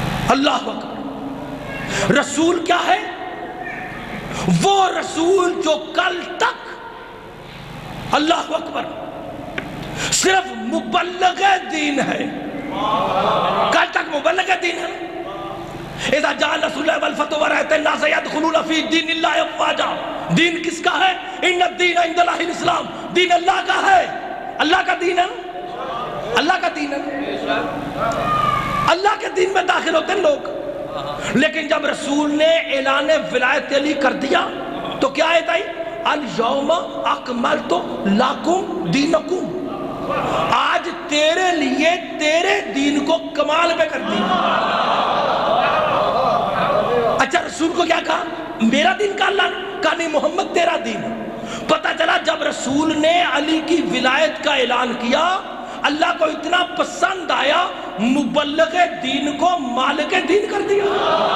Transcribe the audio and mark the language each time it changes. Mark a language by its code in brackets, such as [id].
[ur] اللہ اکبر. رسول کیا ہے؟ وہ رسول جو کل تک اللہ اکبر صرف مبلغ دین ہے. کل تک مبلغ دین ہے. [ar] اذا جاء رسول اللہ والفتو ورایت الناس يدخلون في دين الله افواجا. [ur] دین کس کا ہے؟ [ar] ان الدين عند الله الاسلام. [ur] دین اللہ کا ہے. اللہ کا دین ہے, اللہ کا دین ہے. اللہ کے دین میں داخل ہوتے ہیں لوگ. لیکن جب رسول نے اعلان ولایت علی کر دیا تو کیا آیت آئی؟ [ar] الیوم اکملت لکم دینکم. [ur] آج تیرے لیے تیرے دین کو کمال پہ کر دی. اچھا رسول کو کیا کہا؟ میرا دین کا اللہ کہا نہیں, محمد تیرا دین. پتا چلا جب رسول نے علی کی ولایت کا اعلان کیا اللہ کو اتنا پسند آیا مبلغ دین کو مالک دین کر دیا.